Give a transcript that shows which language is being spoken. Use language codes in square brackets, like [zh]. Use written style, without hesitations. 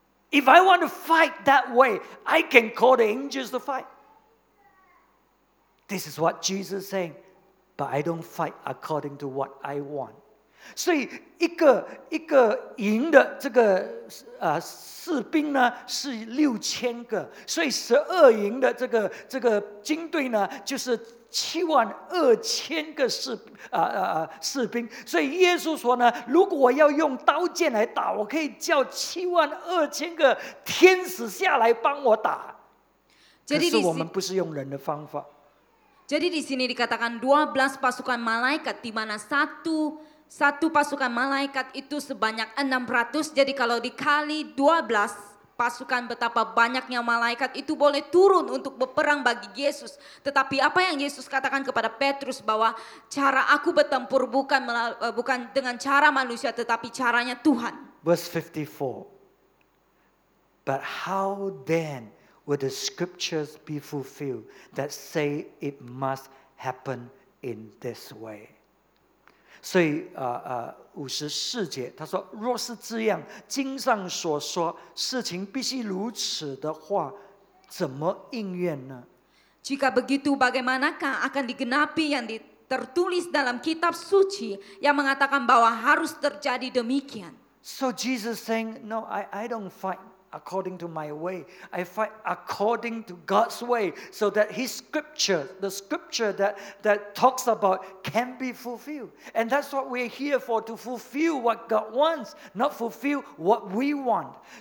[en] If I want to fight that way, I can call the angels to fight. This is what Jesus is saying. But I don't fight according to what I want. [zh] 所以一个营的这个士兵呢是6000个，所以十二营的这个军队呢就是72000个士兵。所以耶稣说呢，如果我要用刀剑来打，我可以叫72000个天使下来帮我打。可是我们不是用人的方法。 [id] jadi di sini dikatakan 12 pasukan malaikat, di mana satu pasukan malaikat itu sebanyak 600, jadi kalau dikali 12 pasukan, betapa banyaknya malaikat itu boleh turun untuk berperang bagi Yesus. Tetapi apa yang Yesus katakan kepada Petrus, bahwa cara aku bertempur bukan dengan cara manusia, tetapi caranya Tuhan. [en] Verse 54. But how then would the scriptures be fulfilled that say it must happen in this way? [zh] 所以五十四节他说，若是这样，经上所说事情必须如此的话，怎么应验呢？ [id] Jika begitu, bagaimanakah akan digenapi yang tertulis dalam kitab suci yang mengatakan bahwa harus terjadi demikian? [en] So Jesus saying, no, I don't fight according to my way. I fight according to God's way, so that His scripture, the scripture that talks about, can be fulfilled. And that's what we're here for, to fulfill what God wants, not fulfill what we want.